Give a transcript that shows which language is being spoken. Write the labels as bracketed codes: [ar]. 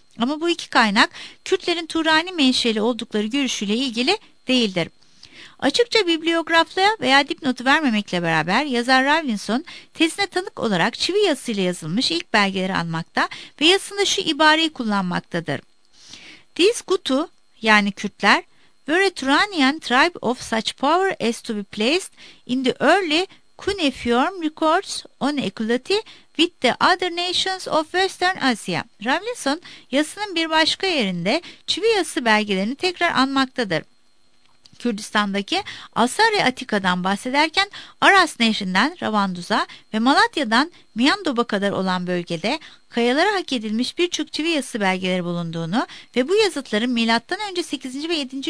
[tr] Ama bu iki kaynak Kürtlerin Turani menşeli oldukları görüşüyle ilgili değildir. Açıkça bibliyografla veya dipnotu vermemekle beraber yazar Rawlinson tezine tanık olarak çivi yazısıyla yazılmış ilk belgeleri anmakta ve yazısında şu ibareyi kullanmaktadır. [en] These Gutu, [tr] yani Kürtler, [en] were a Turanian tribe of such power as to be placed in the early cuneiform records on equality with the other nations of Western Asia. [tr] Rawlinson yazısının bir başka yerinde çivi yazısı belgelerini tekrar anmaktadır. Kürdistan'daki Asari Atika'dan bahsederken Aras Nehri'nden Ravanduza ve Malatya'dan Miyandoba kadar olan bölgede kayalara hak edilmiş birçok çivi yazısı belgeleri bulunduğunu ve bu yazıtların M.Ö. 8. ve 7.